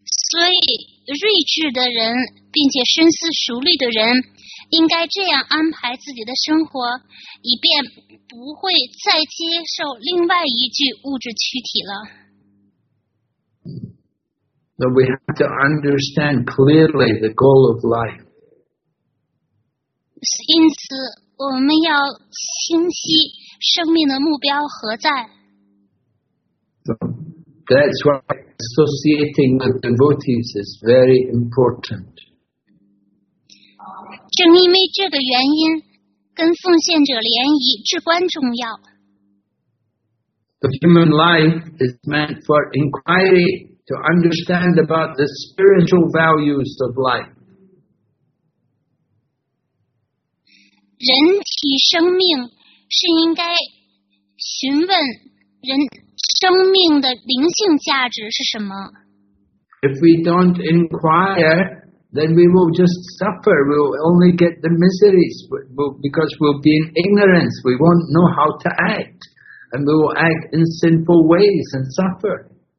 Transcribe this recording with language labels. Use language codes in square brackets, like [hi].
[zh] 所以睿智的人并且深思熟虑的人应该这样安排自己的生活，以便不会再接受另外一具物质躯体了。 [en] So we have to understand clearly the goal of life. [zh] 因此我们要清晰生命的目标何在。 [en] So that's why associating with devotees is very important. [zh] 正因为这个原因，跟奉献者联谊至关重要。 [en] The human life is meant for inquiry to understand about the spiritual values of life. [zh] 人体生命是应该询问人生命的灵性价值是什么。 [en] If we don't inquire,then we will just suffer. We will only get the miseries because we'll be in ignorance. We won't know how to act. And we will act in sinful ways and suffer.